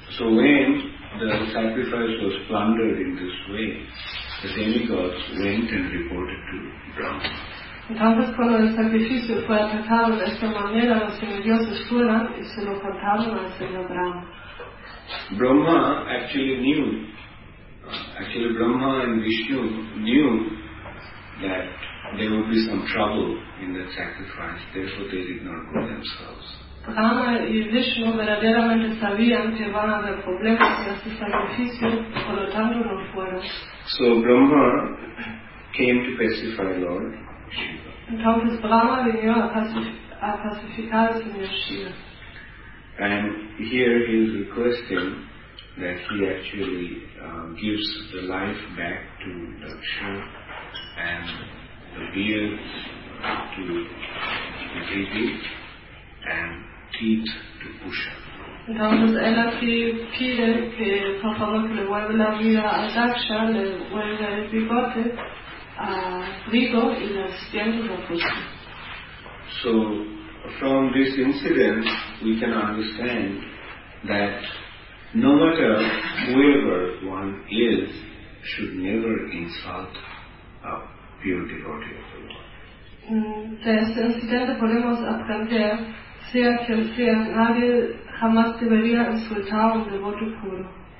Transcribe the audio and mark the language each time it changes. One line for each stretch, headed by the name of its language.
English: So when the sacrifice was plundered in this way, the demigods went and reported to Brahma.
Spanish: Entonces, cuando el sacrificio fue atacado de esta manera, los semidioses fueron y se lo contaron al señor Brahma.
English: Brahma actually knew, Brahma and Vishnu knew that there would be some trouble in that sacrifice, therefore they did not go themselves.
Spanish: Brahma y Vishnu verdaderamente sabían que iban a haber problemas en este sacrificio, por lo tanto no fueron.
English: So Brahma came to pacify Lord.
Spanish: Entonces Brahma vino a pacificar al señor Shiva.
English: And here he is requesting that he actually gives the life back to Daksha and the beard to Bhrigu and teeth to Pusha.
Spanish: Entonces él aquí pide que por favor que le vuelva la vida a Daksha, le vuelva el bigote.
English: So, from this incident, we can understand that no matter whoever one is, should never insult a pure devotee of the Lord.
Spanish: Entonces, en este sentido, podemos aprender sea quien sea, nadie jamás debería insultar a un devoto puro.